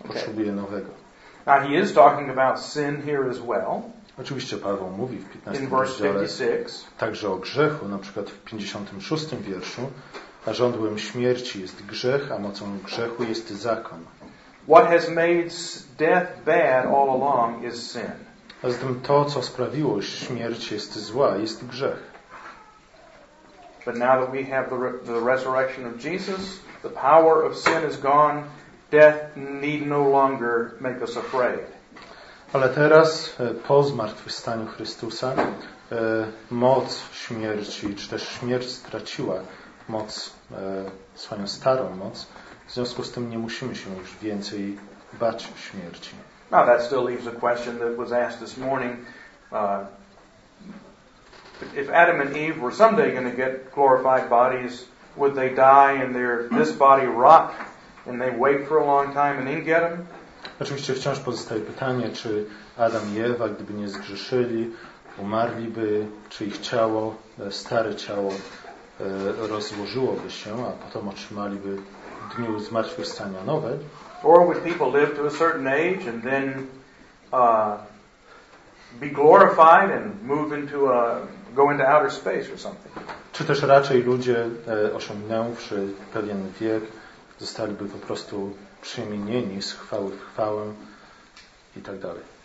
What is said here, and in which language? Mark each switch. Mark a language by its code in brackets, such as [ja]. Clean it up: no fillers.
[pl] Potrzebuje nowego. [en] Now he is talking about sin here as well. [pl] Oczywiście Paweł mówi w 15 rozdziale także o grzechu, na przykład w 56 wierszu: a żądłem śmierci jest grzech, a mocą grzechu jest zakon. [en] What has made death bad all along is sin. [pl] A zatem to, co sprawiło śmierć, jest zła, jest grzech. [en] But now that we have the resurrection of Jesus, the power of sin is gone. Death need no longer make us afraid. [pl] Ale teraz, po zmartwychwstaniu Chrystusa, moc śmierci, czy też śmierć straciła moc, swoją starą moc. W związku z tym nie musimy się już więcej bać śmierci. [en] Now that still leaves a question that was asked this morning. If Adam and Eve were someday going to get glorified bodies, would they die and this body rot and they wait for a long time and then get them? [pl] Oczywiście wciąż pozostaje pytanie, czy Adam i Ewa, gdyby nie zgrzeszyli, umarliby, czy ich ciało, stare ciało, rozłożyłoby się, a potem otrzymaliby dniu zmartwychwstania nowe. [en] Or would people live to a certain age and then be glorified and move into go into outer space or something? [pl] Czy też raczej ludzie osiągnęwszy pewien wiek zostaliby po prostu przemienieni z chwały w chwałę i tak dalej?